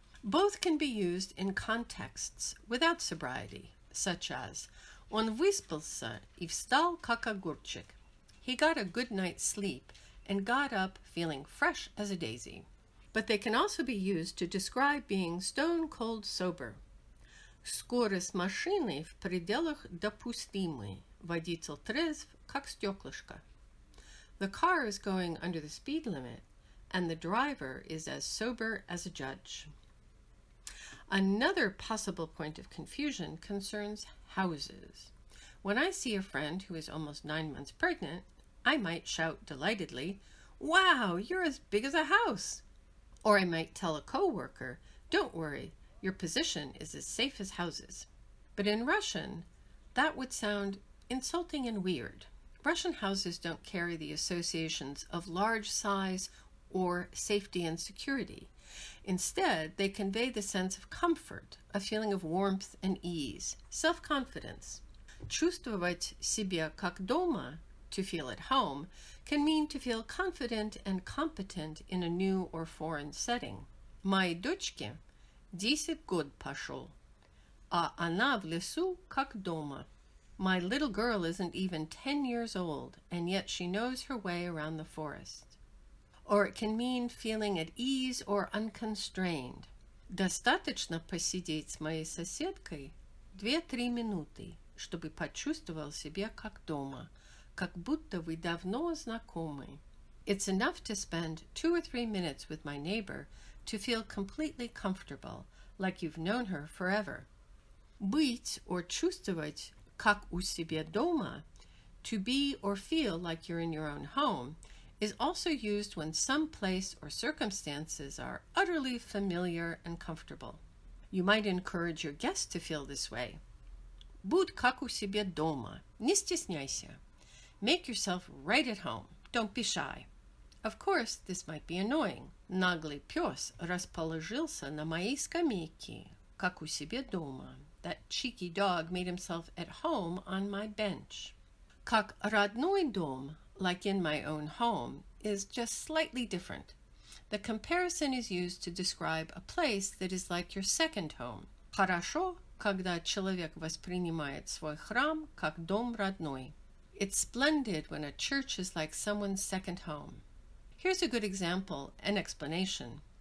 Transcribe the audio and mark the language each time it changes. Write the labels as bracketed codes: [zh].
[en] Both can be used in contexts without sobriety, such as [ru] он выспался и встал как огурчик. [en] He got a good night's sleep and got up feeling fresh as a daisy. But they can also be used to describe being stone cold sober. [ru] Скорость машины в пределах допустимой. Водитель трезв, как стеклышко. [en] The car is going under the speed limit, and the driver is as sober as a judge. Another possible point of confusion concerns houses. When I see a friend who is almost 9 months pregnant, I might shout delightedly, "Wow, you're as big as a house!" Or I might tell a coworker, "Don't worry, your position is as safe as houses." But in Russian, that would sound insulting and weird. Russian houses don't carry the associations of large size or safety and security. Instead, they convey the sense of comfort, a feeling of warmth and ease, self-confidence. [ru] Чувствовать себя как дома, [en] to feel at home, can mean to feel confident and competent in a new or foreign setting. [ru] Моей дочке 10 год пошел, а она в лесу как дома. [en] My little girl isn't even 10 years old, and yet she knows her way around the forest. Or it can mean feeling at ease or unconstrained. [ru] Достаточно посидеть с моей соседкой 2-3 минуты, чтобы почувствовал себя как дома, как будто вы давно знакомы. [en] It's enough to spend 2 or 3 minutes with my neighbor to feel completely comfortable, like you've known her forever. [ru] Быть or чувствовать как у себя дома, [en] to be or feel like you're in your own home, is also used when some place or circumstances are utterly familiar and comfortable. You might encourage your guest to feel this way. [ru] Будь как у себя дома, не стесняйся. [en] Make yourself right at home, don't be shy. Of course, this might be annoying. [ru] Наглый пес расположился на моей скамейке, как у себя дома. [en] That cheeky dog made himself at home on my bench. [ru] Как родной дом, [en] like in my own home, is just slightly different. The comparison is used to describe a place that is like your second home. [ru] Хорошо, когда человек воспринимает свой храм как дом родной. [en] It's splendid when a church is like someone's second home. Here's a good example, an explanation.